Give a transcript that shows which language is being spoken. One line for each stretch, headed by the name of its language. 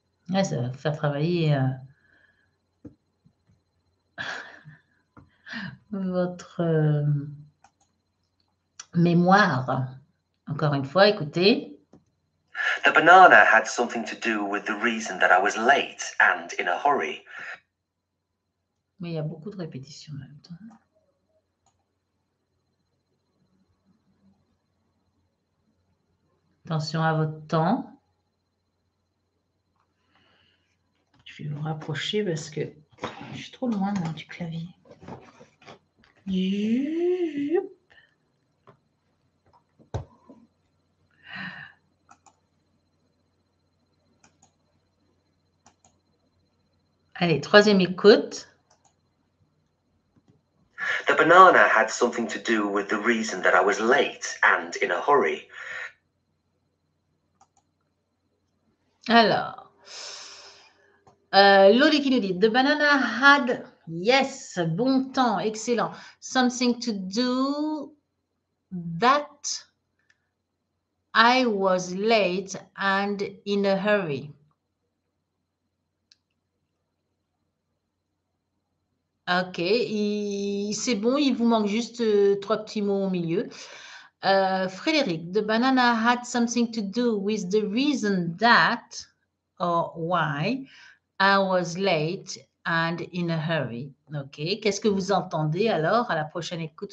French: Ouais, ça va faire travailler votre mémoire. Encore une fois, écoutez.
English: The banana had something to do with the reason that I was late and in a hurry.
French: Mais il y a beaucoup de répétitions en même temps. Attention à votre temps. Je vais vous rapprocher parce que je suis trop loin là, du clavier. Youp. Allez, troisième écoute. The banana had something to do with the reason that I was late and in a hurry. Alors.
English: Lodi
French: qui nous dit,
English: the banana had, yes,
French: bon temps, excellent,
English: something to do that I was late and in a hurry.
French: Ok, c'est bon, il vous manque juste trois petits mots au milieu.
English: Frédéric, the banana had something to do with the reason that or why I was late and in a hurry. OK.
French: Qu'est-ce que vous entendez alors à la prochaine écoute?